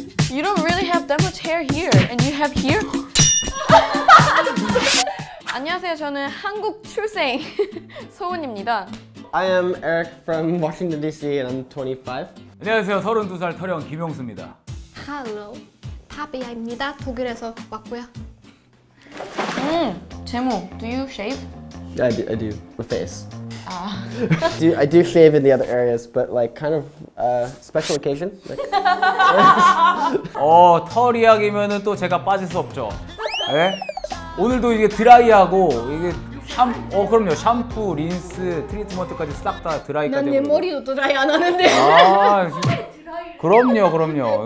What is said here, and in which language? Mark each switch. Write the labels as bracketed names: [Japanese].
[English] You don't really have that much hair here, and you have here. [Korean] 안녕하세요. 저는 한국 출생 소은입니다. [English] I am Eric from Washington DC, and I'm 25. [Korean] 안녕하세요. 32살 터령 김용수입니다. Hello, 파비아입니다. 독일에서 왔고요. [English] 제모, do you shave? Yeah, I do. The face. I do shave in the other areas, but like kind of special occasion. Like. [Korean] 어, 털 이야기면은 또 제가 빠질 수 없죠. 예? 오늘도 이게 드라이하고 이게 샴푸, 어 그럼요. 샴푸, 린스, 트리트먼트까지 싹 다 드라이가 되고. 난 내 머리도 드라이 안 하는데. 아, 그럼요, 그럼요.